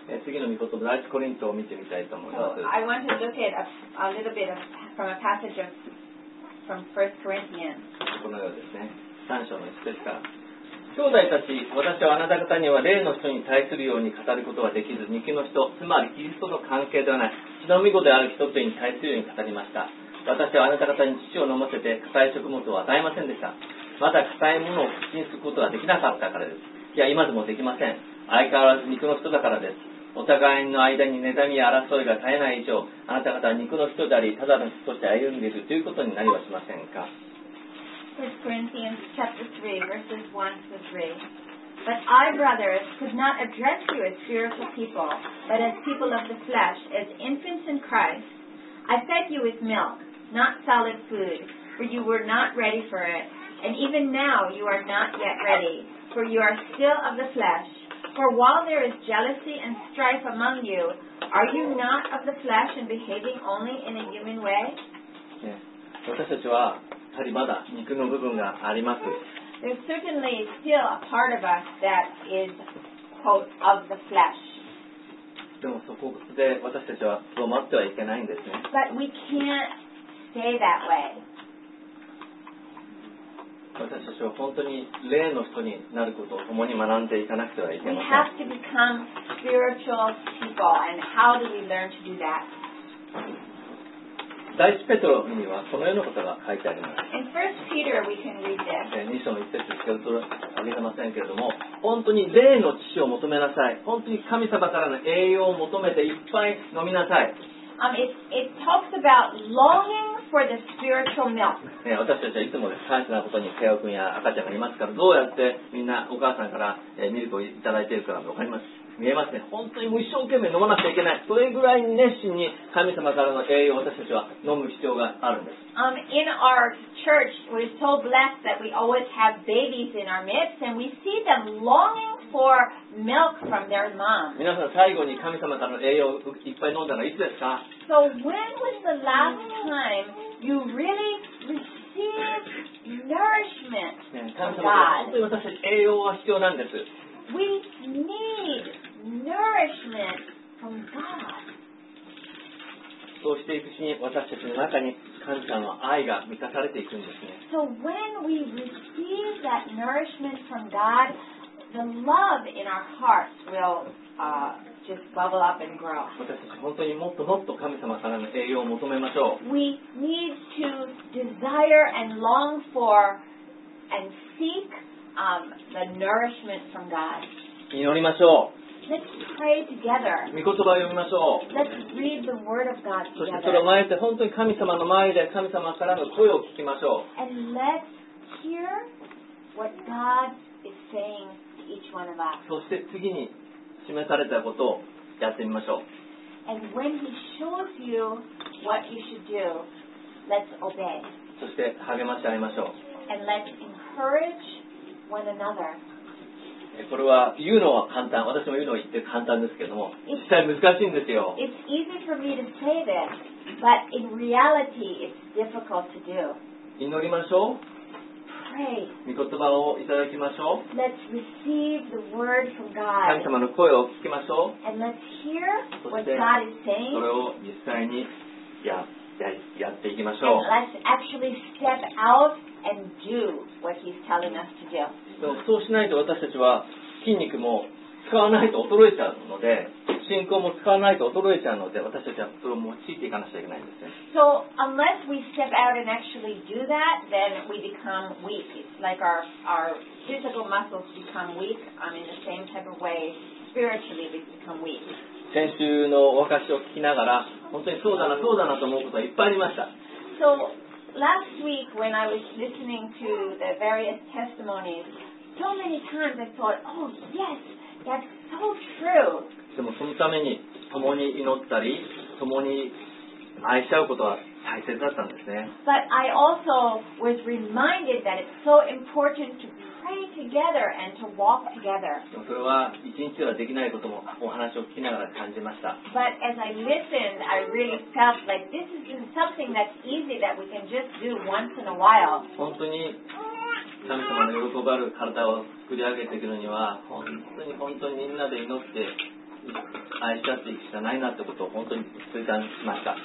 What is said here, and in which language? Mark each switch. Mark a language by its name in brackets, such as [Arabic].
[Japanese] 次の御言葉、第一コリントを見てみたいと思います。 [English] So I want to look at a little bit of, from a passage of, from 1 Corinthians. [Japanese] このようですね。三章の一節から。兄弟たち、私はあなた方には霊の人に対するように語ることはできず、肉の人、つまりキリストの関係ではない、血の御子である人々に対するように語りました。私はあなた方に乳を飲ませて、硬い食物を与えませんでした。また硬いものを口にすることはできなかったからです。いや、今でもできません。相変わらず肉の人だからです。お互いの間に妬みや争いが絶えない以上、あなた方は肉の人であり、ただの人として歩んでいるということになりはしませんか。 [English] 1 Corinthians chapter 3 verses 1 to 3 But I, brothers, could not address you as spiritual people, but as people of the flesh, as infants in Christ. I fed you with milk, not solid food, for you were not ready for it, and even now you are not yet ready, for you are still of the flesh. For while there is jealousy and strife among you, are you not of the flesh and behaving only in a human way? Yes. Yeah. [Japanese] やはりまだ肉の部分があります。 [English] There's certainly still a part of us that is quote of the flesh. [Japanese] でもそこで私たちは止まってはいけないんですね。 [English] But we can't stay that way. [Japanese] 私たちは本当に霊の人になることを共に学んでいかなくてはいけません。 [English] We have to become spiritual people, and how do we learn to do that? [Japanese] 第一ペトロにはこのようなことが書いてあります。 [English] In 1 Peter, we can read this. [Japanese] 2章の1節しか読めませんけれども、本当に霊の乳を求めなさい。本当に神様からの栄養を求めていっぱい飲みなさい。 [English] It talks about longing for the spiritual milk. [Japanese] 私たちはいつも大切なことに、ケオ君や赤ちゃんがいますから、どうやってみんなお母さんからミルクをいただいているかわかります。見えますね。本当にもう一生懸命飲まなきゃいけない。それぐらい熱心に神様からの栄養を私たちは飲む必要があるんです。 [English] In our church, we're so blessed that we always have babies in our midst, and we see them longing for milk from their mom. [Japanese] 皆さん、最後に神様からの栄養をいっぱい飲んだのはいつですか? [English] So when was the last time you really received nourishment from God? [Japanese] 本当に私たち栄養は必要なんです。 [English] We need nourishment from God. [Japanese] そうしていくうちに私たちの中に神様の愛が満たされていくんですね。 [English] So when we receive that nourishment from God, the love in our hearts will, just bubble up and grow. [Japanese] 私たち本当にもっともっと神様からの栄養を求めましょう。 [English] We need to desire and long for and seek. The nourishment from God. [Japanese] 祈りましょう。 [English] Let's pray together. [Japanese] 御言葉を読みましょう。 [English] Let's read the word of God together. [Japanese] そしてそれを前で本当に神様の前で神様からの声を聞きましょう。 [English] And let's hear what God is saying to each one of us. [Japanese] そして次に示されたことをやってみましょう。 [English] And when He shows you what you should do, let's obey. [Japanese] そして励まし合いましょう。 [English] And let's encourage. [Japanese] これは言うのは簡単、私も言うのは言って簡単ですけども、実際難しいんですよ。 [English] It's easy for me to say this, but in reality, it's difficult to do. [Japanese] 祈りましょう。 [English] Pray. [Japanese] 御言葉をいただきましょう。 [English] Let's receive the word from God. [Japanese] 神様の声を聞きましょう。 [English] And let's hear what God is saying. [Japanese] それを実際にやっていきましょう。 [English] And let's actually step out. And do what he's telling us to do. [Japanese] そうしないと私たちは筋肉も使わないと衰えちゃうので、信仰も使わないと衰えちゃうので、私たちはそれを用いていかなくちゃいけないんですね。 [English] So unless we step out and actually do that, then we become weak. It's like our physical muscles become weak. In the same type of way, spiritually we become weak. [Japanese] 先週のお話を聞きながら、本当にそうだな、そうだなと思うことがいっぱいありました。 [English] So,Last week, when I was listening to the various testimonies, so many times I thought, oh, yes, that's so true. [Japanese] でもそのために共に祈ったり、共に愛し合うことは大切だったんですね。 [English] But I also was reminded that it's so important to pray together and to walk together. [Japanese] それは一日ではできないこともお話を聞きながら感じました。 [English] But as I listened, I really felt like this isn't something that's easy that we can just do once in a while. [Japanese] 本当に神様の喜ばれる体を作り上げていくのには本当にみんなで祈って愛し合っていくしかないなってことを本当に痛感しました。